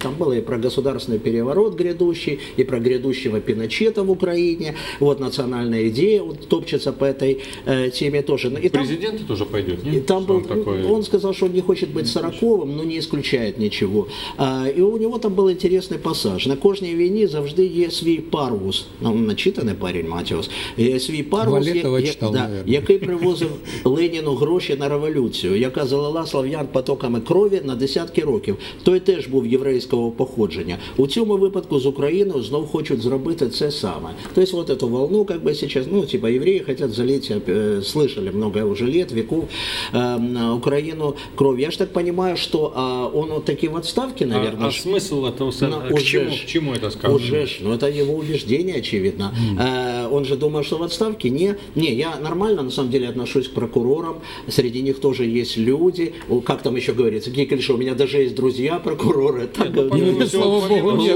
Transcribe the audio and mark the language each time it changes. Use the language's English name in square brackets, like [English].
[Russian] Там было и про государственный переворот грядущий, и про грядущего Пиночета в Украине. Вот национальная идея вот, топчется по этой теме тоже. И президент там, тоже пойдет, нет? И там был, он, такой... он сказал, что он не хочет быть сороковым, но не исключает ничего. И у него там был интересный пассаж. [Ukrainian] На кожній війні завжди є свій парус. Ну, начитаний парень Матіос. Свій парус, який привозив Леніну гроші на революцію, яка залила слов'ян потоками крові на десятки років. Той теж був єврейського походження. У цьому випадку з Україною знову хочуть зробити це саме. Тобто, от цю волну, як би зараз, ну, типа, євреї хочуть залити, слышали багато вже літ, віків, Україну кров. Я ж так розумію, що він такі в відставці, мабуть. [Russian] А смисл этого? К чему это сказано? Уже ж, ну это его убеждение, очевидно. Он же думает, что в отставке? Не, я нормально, на самом деле, отношусь к прокурорам. Среди них тоже есть люди. Как там еще говорится? Гекель, что у меня меня даже есть друзья прокуроры. Слава богу, нет.